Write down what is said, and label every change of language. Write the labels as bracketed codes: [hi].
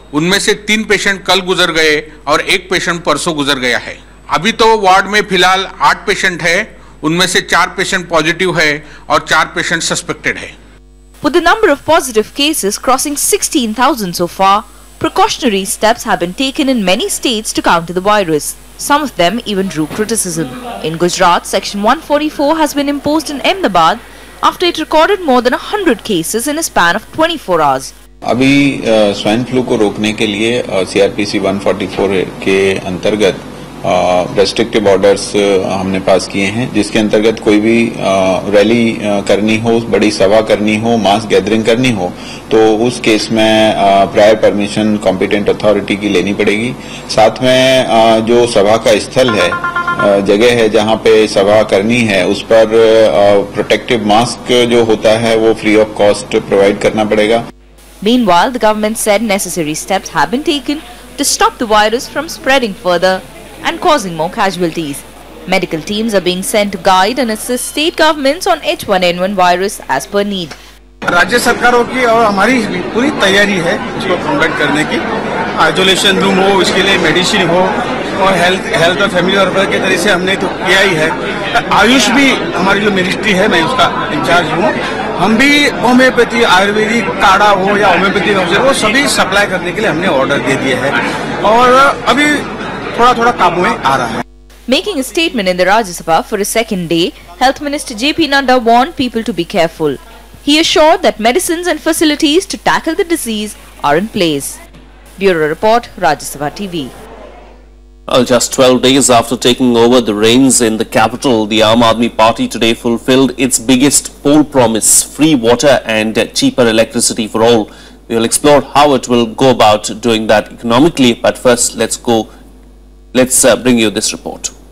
[hi] उनमें से 3 पेशेंट कल गुजर गए और 1 पेशेंट परसों गुजर गया है। अभी तो वार्ड में फिलहाल 8 पेशेंट है, उनमें से 4 पेशेंट पॉजिटिव है और 4 पेशेंट सस्पेक्टेड है। [en] With the number of positive cases crossing 16,000 so far, precautionary steps have been taken in many states to counter the virus. Some of them even drew criticism. In Gujarat, Section 144 has been imposed in Ahmedabad after it recorded more than 100 cases in a span of 24 hours. [hi] अभी swine flu को रोकने के लिए CrPC 144 के अंतर्गत restrictive orders हमने पास किए हैं, जिसके अंतर्गत कोई भी रैली करनी हो, बड़ी सभा करनी हो, मास गैदरिंग करनी हो, तो उस केस में प्रायर परमिशन कॉम्पिटेंट अथॉरिटी की लेनी पड़ेगी। साथ में जो सभा का स्थल है, जगह है जहां पे सभा करनी है, उस पर प्रोटेक्टिव मास्क जो होता है वो फ्री ऑफ कॉस्ट प्रोवाइड करना पड़ेगा। [en] Meanwhile, the government said necessary steps have been taken to stop the virus from spreading further and causing more casualties. Medical teams are being sent to guide and assist state governments on H1N1 virus as per need. [hi] Rajya sarkaron ki aur hamari puri taiyari hai isko combat karne ki. Isolation room ho, iske liye medicine ho, aur health aur family welfare ke tarike se humne to kiya hi hai. Ayush bhi hamari jo ministry hai, main uska in charge hu. हम भी homeopathy, Ayurvedic काढ़ा हो या homeopathy वो सभी supply करने के लिए हमने ऑर्डर दे दिए हैं और अभी थोड़ा थोड़ा काबू में आ रहा है। [en] Making a statement in the Rajya Sabha for a second day, health minister JP Nadda warned people to be careful. He assured that medicines and facilities to tackle the disease are in place. Bureau Report, Rajya Sabha TV. Just 12 days after taking over the reins in the capital, the Aam Aadmi Party today fulfilled its biggest poll promise, free water and cheaper electricity for all. We will explore how it will go about doing that economically, but first let's bring you this report.